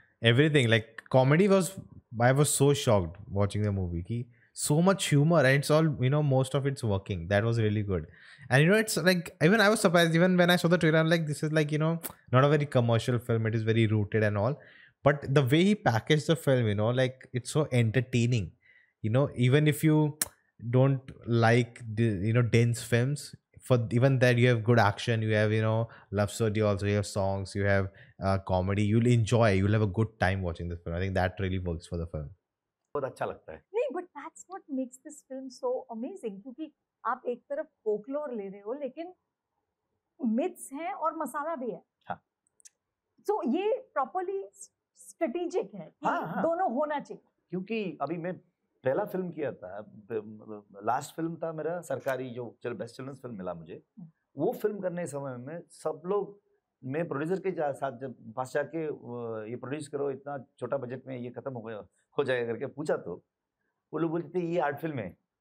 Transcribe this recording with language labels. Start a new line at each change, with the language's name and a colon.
English: Everything like comedy was, I was so shocked watching the movie कि so much humour and it's all, you know, most of it's working. That was really good. And you know, it's like even I was surprised even when I saw the trailer, I am like this is like, you know, not a very commercial film, it is very rooted and all, but the way he package the film, you know, like it's so entertaining. You know, even if you don't like, you know, dense films, for even that you have good action, you have, you know, love story also, you have songs, you have comedy, you'll enjoy, you'll have a good time watching this film. I think that really works for the film.
Hindi: बहुत अच्छा लगता है. नहीं,
English: but that's what makes this film so amazing.
Hindi: क्योंकि आप एक तरफ folklore ले रहे हो, लेकिन myths हैं और मसाला भी है. हाँ. So ये properly strategic है. हाँ. दोनों होना चाहिए. क्योंकि अभी मैं पहला फिल्म किया था, लास्ट फिल्म था मेरा सरकारी, जो चल बेस्ट चिल्ड्रंस फिल्म मिला मुझे, वो फिल्म करने समय में सब लोग, मैं प्रोड्यूसर के साथ जब पास जाके ये प्रोड्यूस करो इतना छोटा बजट में ये खत्म हो गया हो जाएगा करके पूछा, तो वो लोग बोलते थे ये आर्ट फिल्म है,